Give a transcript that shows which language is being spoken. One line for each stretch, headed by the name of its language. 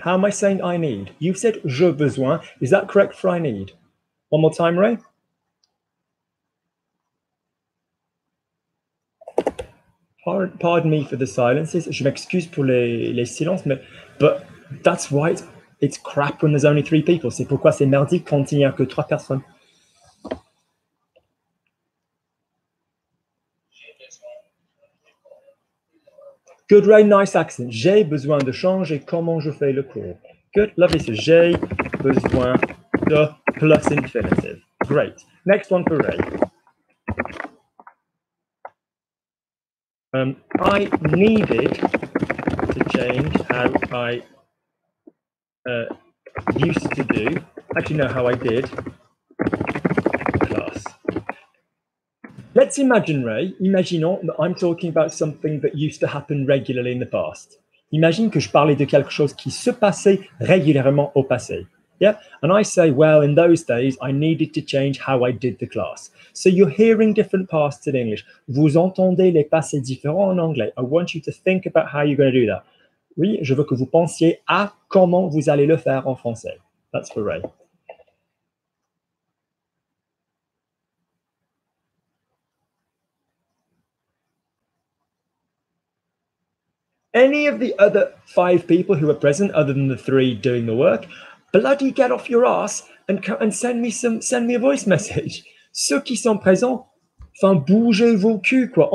English: How am I saying I need? You said
French: je besoin.
English: Is that correct for I need? One more time, Ray. Pardon me for the silences.
French: Je m'excuse pour les silences,
English: but that's why it's crap when there's only three people.
French: C'est pourquoi c'est merdi quand il n'y a que trois personnes.
English: Good, Ray, nice accent.
French: J'ai besoin de changer comment je fais le cours.
English: Good, lovely. So
French: j'ai besoin de
English: plus infinitive. Great. Next one for Ray. I needed to change how I used to do. Actually, no, how I did class. Let's imagine, Ray. Imaginons that I'm talking about something that used to happen regularly in the past.
French: Imagine que je parlais de quelque chose qui se passait régulièrement au passé.
English: Yeah? And I say, well, in those days, I needed to change how I did the class. So you're hearing different pasts in English.
French: Vous entendez les passés différents en anglais.
English: I want you to think about how you're going to do that.
French: Oui, je veux que vous pensiez à comment vous allez le faire en français.
English: That's for Ray. Any of the other five people who are present, other than the three doing the work, bloody get off your ass and send me a voice message.
French: Ceux qui sont présents, enfin, bougez vos culs, quoi.